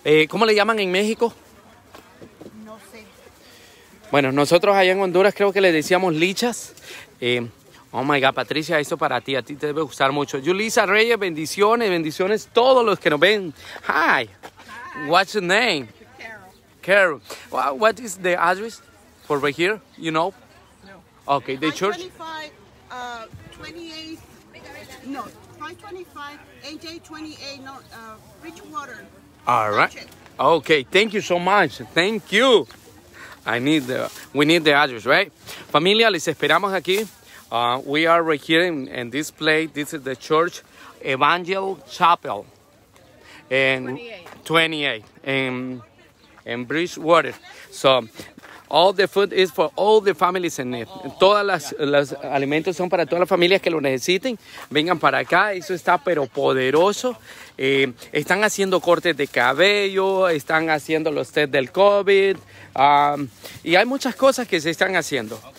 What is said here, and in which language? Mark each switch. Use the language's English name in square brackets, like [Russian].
[Spanish] ¿Cómo le llaman en México? No sé. Bueno, nosotros allá en Honduras creo que le decíamos lichas. [English] Oh my God, [Spanish] Patricia, esto para ti, a ti te debe gustar mucho. Yulisa Reyes, bendiciones todos los que nos ven. [English] Hi. Hi. What's your name? Carol. Well, what is the address for right here, you know? No. Okay, the church? 525 AJ 28, Bridgewater. All right. Okay, thank you so much. Thank you. We need the address, right? [Spanish] Familia, les esperamos aquí. [English] We are right here in this place. This is the church, Evangel Chapel. And 28. In Bridgewater. So, all the food is for all the families in need. [Spanish] Todas las alimentos son para todas las familias que lo necesiten. Vengan para acá. Eso está pero poderoso. Están haciendo cortes de cabello. Están haciendo los test del COVID. Y hay muchas cosas que se están haciendo.